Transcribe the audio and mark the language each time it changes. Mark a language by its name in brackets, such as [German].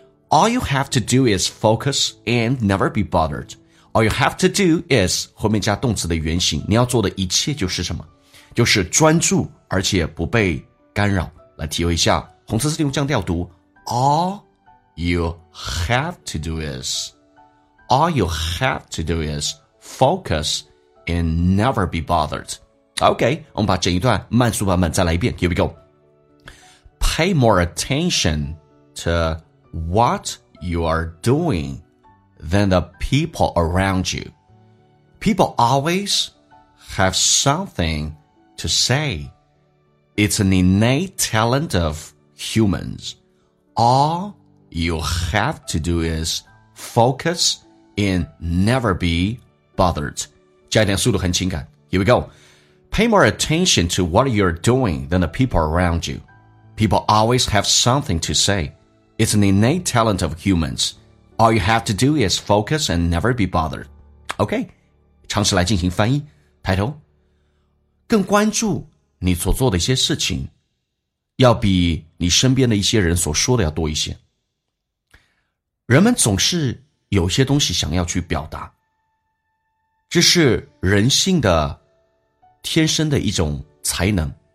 [English] All you have to do is focus and never be bothered. All you have to do is [Chinese] 后面加动词的原型，你要做的一切就是什么？就是专注而且不被干扰。来体会一下，红色字用降调读 [English] All you have to do is All you have to do is focus and never be bothered. [Chinese] OK, 我们把整一段慢速版本再来一遍。 [English] Here we goPay more attention to what you are doing than the people around you. People always have something to say. It's an innate talent of humans. All you have to do is focus and never be bothered. [Chinese] 加一点速度很情感。 [English] Here we go. Pay more attention to what you're doing than the people around you. People always have something to say. It's an innate talent of humans. All you have to do is focus and never be bothered. [Chinese] OK, 尝试来进行翻译。 Title, 更关注你所做的一些事情，要比你身边的一些人所说的要多一些。人们总是有些东西想要去表达，这是人性的天生的一种才能。